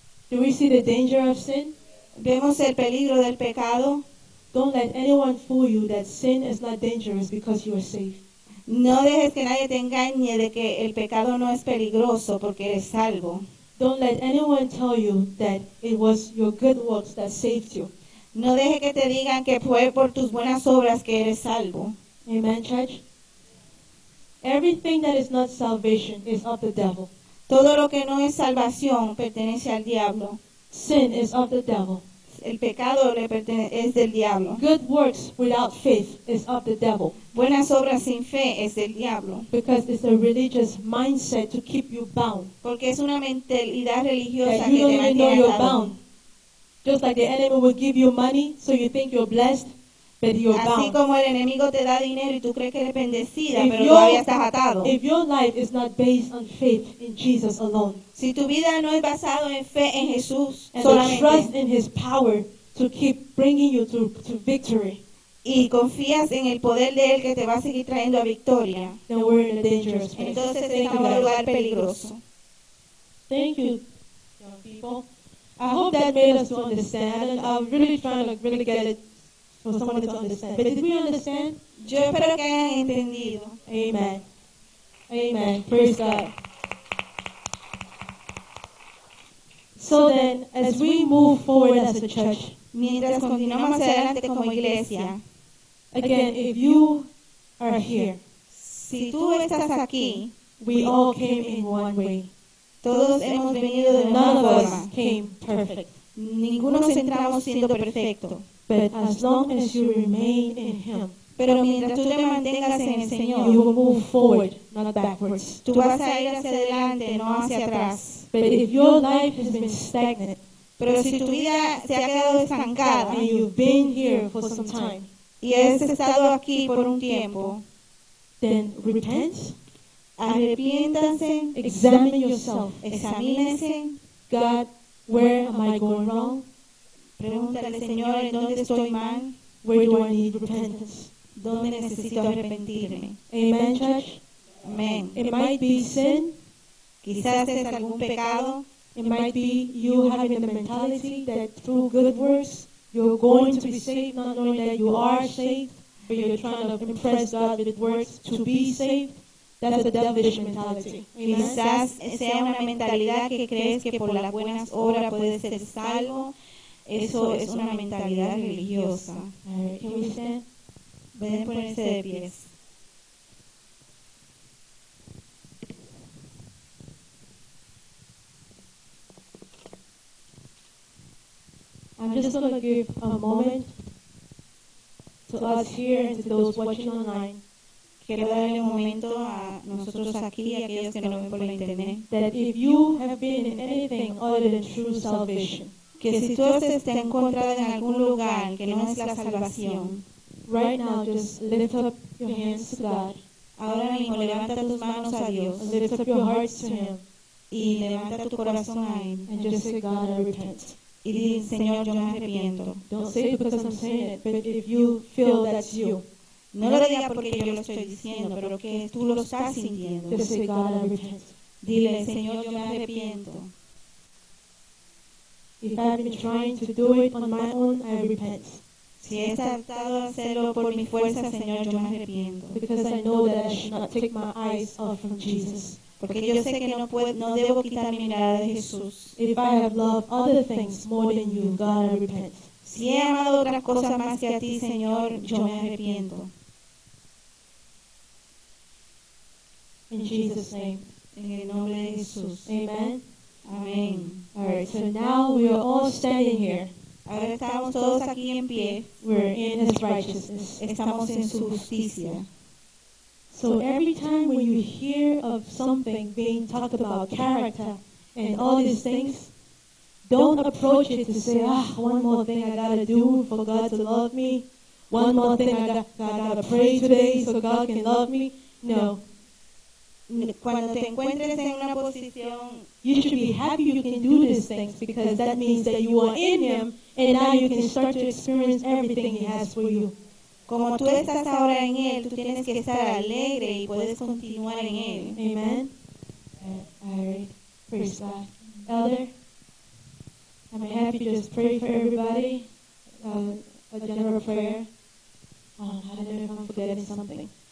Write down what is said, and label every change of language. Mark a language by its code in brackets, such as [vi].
[en] Do we see the danger of sin? [es] ¿Vemos el peligro del pecado? [en] Don't let anyone fool you that sin is not dangerous because you are safe. [es] No dejes que nadie te engañe de que el pecado no es peligroso porque eres salvo. [en] Don't let anyone tell you that it was your good works that saved you. [es] No deje que te digan que fue por tus buenas obras que eres salvo. [en] Amen, church? Everything that is not salvation is of the devil. [es] Todo lo que no es salvación pertenece al diablo. [en] Sin is of the devil. [es] El pecado le pertenece es del diablo. [en] Good works without faith is of the devil. [es] Buenas obras sin fe es del diablo. [en] Because it's a religious mindset to keep you bound. [es] Porque es una mentalidad religiosa [en] that [es] que [en] you don't [es] te [en] even know you're bound. Just like the enemy will give you money so you think you're blessed, but you're [es] así [en] bound. [es] Así como el enemigo te da dinero y tú crees que eres bendecida, [en] if [es] pero todavía estás atado. [en] If your life is not based on faith in Jesus alone. [es] Si tu vida no es basado en fe en Jesús [en] and [es] solamente. [en] And trust in his power to keep bringing you to victory. [es] Y confías en el poder de él que te va a seguir trayendo a victoria. [en] Then we're in a dangerous place. [es] Entonces estamos en un lugar peligroso. [en] Thank you, young people. I hope that made us to understand. I'm really trying to really get it. For someone to understand. But did we understand? [es] Yo espero que hayan entendido. [en] Amen. Amen. Praise God. So then, as we move forward as a church, [es] mientras continuamos adelante como iglesia, [en] again, if you are here, [es] si tú estás aquí, [en] we all came in one way. [es] Todos hemos venido de una forma. [en] None of us came perfect. [es] Ninguno entramos siendo perfecto. [en] But as long as you remain in him, [es] pero mientras tú te mantengas en el Señor, [en] you will move forward, not backwards. [es] Tú vas a ir hacia adelante, no hacia atrás. [en] But if your life has been stagnant, [es] pero si tu vida se ha quedado estancada, [en] and you've been here for some time, [es] y has estado aquí por un tiempo, [en] then repent. [es] Arrepiéntanse. [en] Examine yourself. [es] Examínese. [en] God, where am I going wrong? [es] Pregúntale, Señor, ¿en dónde estoy mal? [en] Where do I need repentance? [es] ¿Dónde necesito arrepentirme? [en] Amen, church? Amen. It might be sin. [es] Quizás es algún pecado. [en] It might be you having the mentality that through good works, you're going to be saved, not knowing that you are saved, but you're trying to impress God with words to be saved. That's a devilish mentality. [es] Quizás sea una mentalidad que crees que por las buenas obras puedes ser salvo. Eso es una mentalidad religiosa. [en] Can we stand? [es] Pueden ponerse de pies. [en] I'm just going to give a moment to us here and to those watching online. [es] Quiero darle un momento a nosotros aquí, a aquellos que no ven por internet. [en] That if you have been in anything other than true salvation, [es] que si tú estás encontrado en algún lugar que no es la salvación, [en] right now just lift up your hands to God. [es] Ahora mismo levanta tus manos a Dios. [en] And lift up your hearts to Him. [es] Y levanta tu corazón a Él. [en] And just say, God, I repent. [es] Y di, Señor, yo me arrepiento. [en] Don't say it because I'm saying it, but if you feel that's you. [es] No lo diga porque yo lo estoy diciendo, pero que tú lo estás sintiendo. [en] Just say, God, I repent. [es] Dile, Señor, yo me arrepiento. [en] If I've been trying to do it on my own, I repent. [es] Si he tratado de hacerlo por mi fuerza, Señor, yo me arrepiento. [en] Because I know that I should not take my eyes off from Jesus. [es] Porque yo sé que no debo quitar mi mirada de Jesús. [en] If I have loved other things more than you, God, I repent. [es] Si he amado otras cosas más que a ti, Señor, yo me arrepiento. [en] In Jesus' name. [es] En el nombre de Jesús. [en] Amen. [es] Amén. [en] All right, so now we are all standing here. [es] Ahora estamos todos aquí en pie. [en] We're in His righteousness. [es] Estamos en su justicia. [en] So every time when you hear of something being talked about, character and all these things, don't approach it to say, ah, one more thing I gotta do for God to love me. One more thing I gotta pray today so God can love me. No. [es] Cuando te encuentres en una posición, [en] you should be happy you can do these things because that means that you are in Him and now you can start to experience everything He has for you. [es] Como tú estás ahora en Él, tú tienes que estar alegre y puedes continuar en Él. [en] Amen. Alright. Praise God. Elder, I'm happy to just pray for everybody. A general prayer. Oh, I don't know if I'm forgetting something.